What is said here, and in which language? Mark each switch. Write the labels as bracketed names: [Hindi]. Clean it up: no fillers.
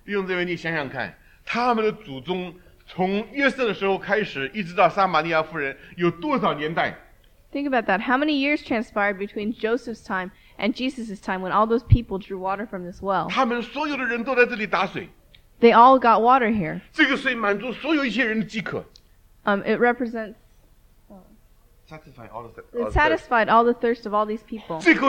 [Chinese] 弟兄姊妹，你想想看，他们的祖宗从约瑟的时候开始，一直到撒玛利亚妇人，有多少年代 [English] ？Think about that. How many years transpired between Joseph's time and Jesus' time when all those people drew water from this well? [Chinese] 他们所有的人都在这里打水。 [English] They all got water here. [Chinese] 这个水满足所有一切人的饥渴。 [English] It represents It satisfied all the thirst of all these people.